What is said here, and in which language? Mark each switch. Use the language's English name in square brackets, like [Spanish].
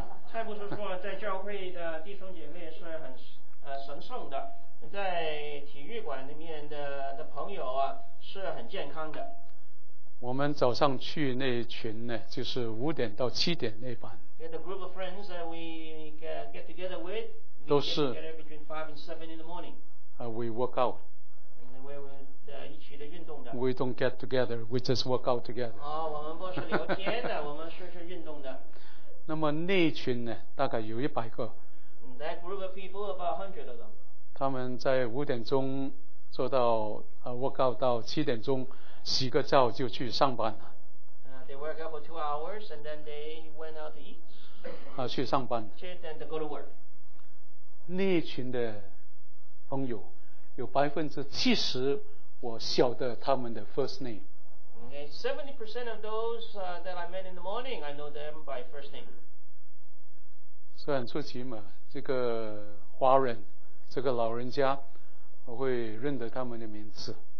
[Chinese] 蔡牧师说，在教会的弟兄姐妹是很神圣的，在体育馆里面的朋友啊是很健康的。我们早上去那一群呢，就是五点到七点那班。 [English] Yeah, the group of friends that we get together with, we [Chinese] 都是 [English] get together between 5 and 7 in the morning. We work out. And we were [Chinese] 一起的运动的。 [English] We don't get together, we just work out together. [Chinese] 我们不是聊天的，我们是运动的。那么那一群呢，大概有100个。 [English] That group of people, about 100 of them. [Chinese] 他们在五点钟做到 [English] work out [Chinese] 到七点钟。洗个澡就去上班了。 [English] They work out for 2 hours and then they went out to eat. [Chinese] 去上班。 [English] Then they go to work. [Chinese] 那群的朋友，有70%我晓得他们的 first name. [English] Okay, 70% of those that I met in the morning, I know them by first name. [Chinese] 虽然出奇嘛，这个华人，这个老人家，我会认得他们的名字。